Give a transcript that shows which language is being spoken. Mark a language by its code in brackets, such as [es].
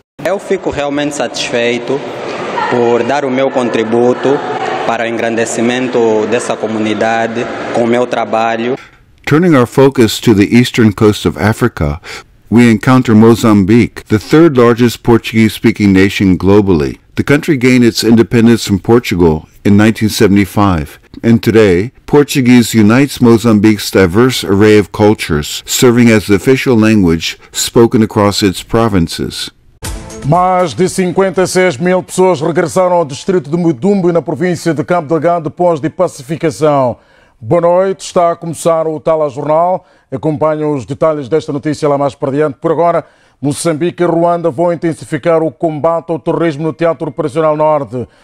[pt] Eu fico realmente satisfeito por dar o meu contributo para o engrandecimento dessa comunidade com o meu trabalho. [en] Turning our focus to the eastern coast of Africa, we encounter Mozambique, the third largest Portuguese-speaking nation globally. The country gained its independence from Portugal in 1975. And today, Portuguese unites Mozambique's diverse array of cultures, serving as the official language spoken across its provinces. [pt] Mais de 56 mil pessoas regressaram ao distrito de Mudumbe, na província de Cabo Delgado, depois de pacificação. Boa noite, está a começar o Telejornal. Acompanhe os detalhes desta notícia lá mais para diante. Por agora, Moçambique e Ruanda vão intensificar o combate ao terrorismo no Teatro Operacional Norte.